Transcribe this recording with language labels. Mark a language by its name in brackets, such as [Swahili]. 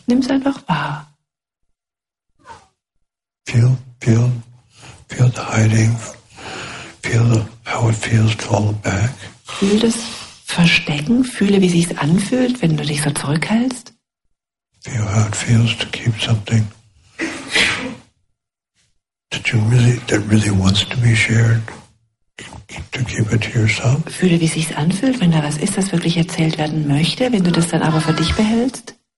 [German] Nimm es einfach wahr. [English] Feel the hiding. Feel how it feels to hold back. [German] Fühl das Verstecken. Fühle, wie sich's anfühlt, wenn du dich so zurückhältst. [English] Feel how it feels to keep something that you that really wants to be shared, to keep it to yourself? [German] Fühle, wie sich's anfühlt, wenn da was ist, das wirklich erzählt werden möchte, wenn du das dann aber für dich behältst.